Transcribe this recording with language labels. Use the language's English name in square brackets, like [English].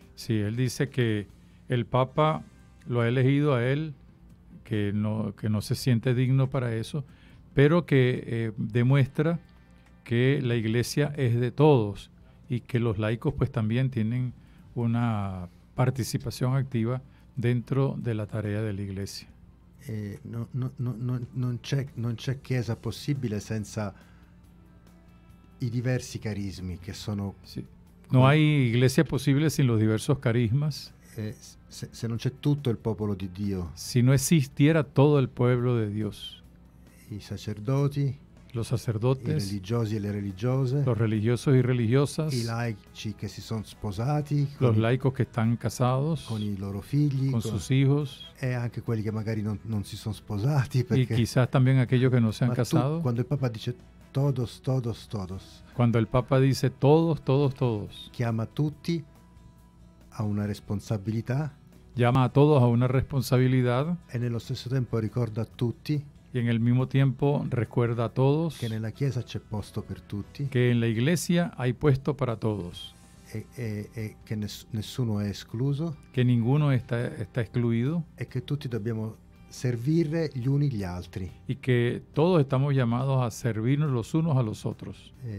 [Spanish] Sì, él dice [Italian] che il Papa [Spanish] lo ha elegido a él, que no se siente digno para eso, pero que demuestra que la Iglesia es de todos y que los laicos pues también tienen una participación activa dentro de la tarea de la Iglesia. [Italian] No c'è chiesa posible senza i diversi carismi che sono. [Spanish] Sí. No hay Iglesia posible sin los diversos carismas. [Italian] Se non c'è tutto il popolo di Dio. [Spanish] Si no existiera todo el pueblo de Dios. [Italian] I sacerdoti. [Spanish] Los sacerdotes. [Italian] I religiosi e le religiose. [Spanish] Los religiosos y religiosas. [Italian] I laici che si sono sposati. [Spanish] Los laicos que están casados. [Italian] Con i loro figli. [Spanish] Con sus hijos. [Italian] E anche quelli che magari non si sono sposati. [Spanish] Y quizás también aquellos que no se han casado. Cuando el Papa dice todos, todos, todos. Cuando el Papa dice todos, todos, todos. [Italian] Chiama tutti a una responsabilidad. [Spanish] Llama a todos a una responsabilidad. En el mismo tiempo recuerda a tutti. Y en el mismo tiempo recuerda a todos. Que en la [Italian] Chiesa c'è posto per tutti. [Spanish] Que en la Iglesia hay puesto para todos. [Italian] Que nessuno è escluso. [Spanish] Que ninguno está excluido. [Italian] E che tutti dobbiamo servire gli uni gli altri. [Spanish] Y que todos estamos llamados a servirnos los unos a los otros.